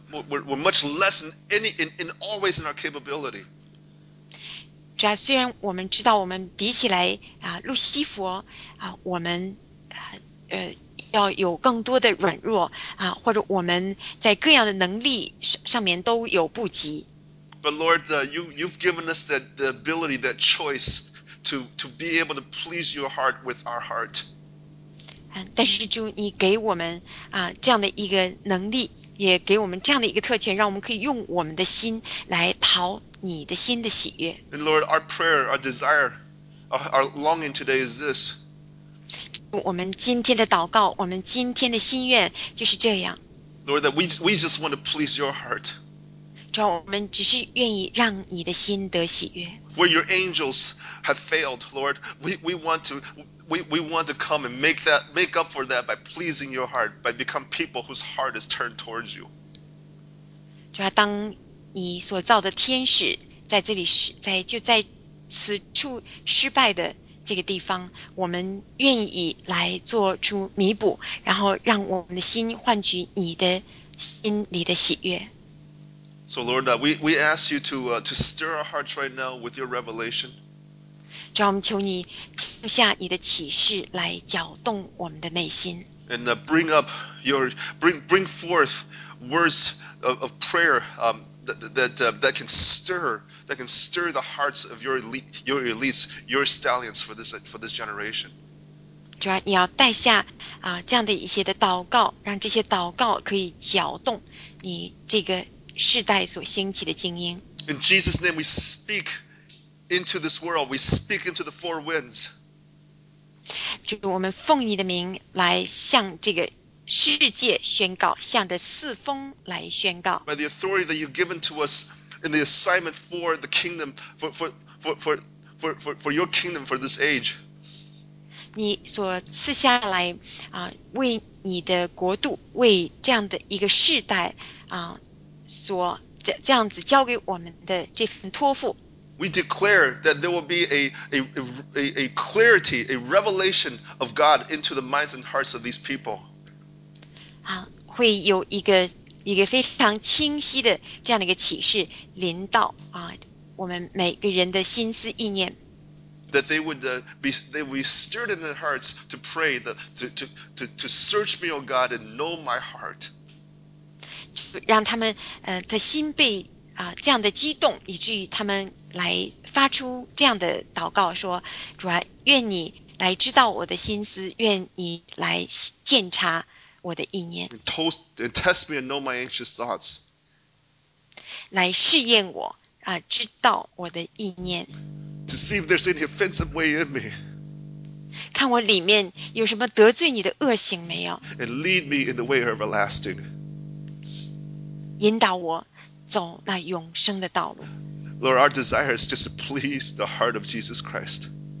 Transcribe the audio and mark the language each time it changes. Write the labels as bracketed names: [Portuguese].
[English] We're much less in always in our capability. [Chinese] 主啊，虽然我们知道我们比起来路西佛我们要有更多的软弱或者我们在各样的能力上面都有不及。 [English] But Lord, you've given us the ability, that choice to be able to please your heart with our heart. [Chinese] 但是主，你给我们这样的一个能力，也给我们这样的一个特权，让我们可以用我们的心来讨你的心的喜悦。 [English] And Lord, our prayer, our desire, our longing today is this. [Chinese] 我们今天的祷告，我们今天的心愿就是这样。 [English] Lord, that we just want to please your heart. [Chinese] 主，我们只是愿意让你的心得喜悦。 [English] Where your angels have failed, Lord, we want to come and make up for that by pleasing your heart, by become people whose heart is turned towards you. [Chinese] 主啊，当你所造的天使在这里在此处失败的这个地方，我们愿意来做出弥补，然后让我们的心换取你的心里的喜悦。 [English] So Lord, we ask you to stir our hearts right now with your revelation. [Chinese] 主啊，我们求你降下你的启示来搅动我们的内心。 [English] And bring forth words of prayer. That can stir the hearts of your elites, your stallions for this generation. [Chinese] 主啊，你要带下这样的一些的祷告，让这些祷告可以搅动你这个世代所兴起的精英。 [English] In Jesus' name, we speak into this world. We speak into the four winds. [Chinese] 主，我们奉你的名来向这个世界宣告，向着四风来宣告。 [English] By the authority that you've given to us in the assignment for the kingdom, for your kingdom for this age. [Chinese] 你所赐下来为你的国度，为这样的一个世代所这样子交给我们的这份托付。 [English] We declare that there will be a clarity, a revelation of God into the minds and hearts of these people. [Chinese] 会有一个非常清晰的这样的一个启示临到我们每个人的心思意念。 [English] That they would be stirred in their hearts to pray to search me, O God, and know my heart. [Chinese] 让他们的心被这样的激动，以至于他们来发出这样的祷告说：主啊，愿你来知道我的心思，愿你来鉴察。我的意念。 [English] And test me and know my anxious thoughts. [Chinese] 来试验我知道我的意念。 [English] To see if there's any offensive way in me. [Chinese] 看我里面有什么得罪你的恶行没有。 [English] And lead me in the way everlasting. [Chinese] 引导我走那永生的道路。 [English] Lord, our desire is just to please the heart of Jesus Christ.